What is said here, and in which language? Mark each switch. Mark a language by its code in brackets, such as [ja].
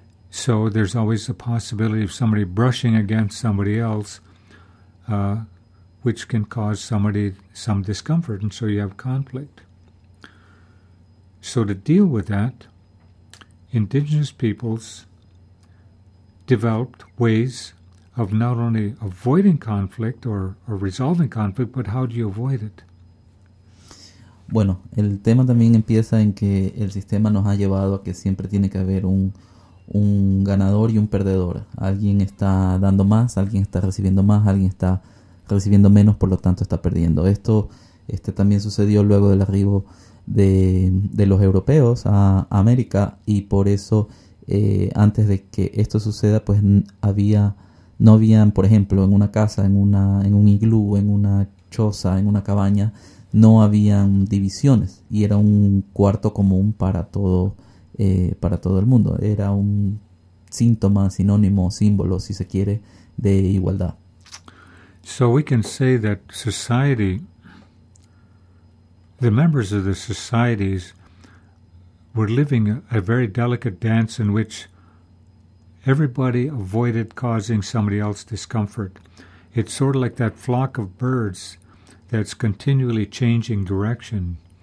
[en] So there's always the possibility of somebody brushing against somebody else, which can cause somebody some discomfort, and so you have conflict. So to deal with that, indigenous peoples developed ways of not only avoiding conflict or resolving conflict, but how do you avoid it? [es] Bueno, el tema también empieza en que el sistema nos ha llevado a que siempre tiene que haber un ganador y un perdedor. Alguien está dando más, alguien está recibiendo más, alguien está recibiendo menos, por lo tanto está perdiendo. Esto también sucedió luego del arribo de los europeos a América, y por eso antes de que esto suceda, pues no habían, por ejemplo, en una casa, en un iglú, en una choza, en una cabaña, no habían divisiones y era un cuarto común para todo el mundo. Era un síntoma, sinónimo, símbolo, si se quiere, de igualdad. [en] So we can say that society, the members of the societies, were living a very delicate dance in which everybody avoided causing somebody else discomfort. It's sort of like that flock of birds that's continually changing direction.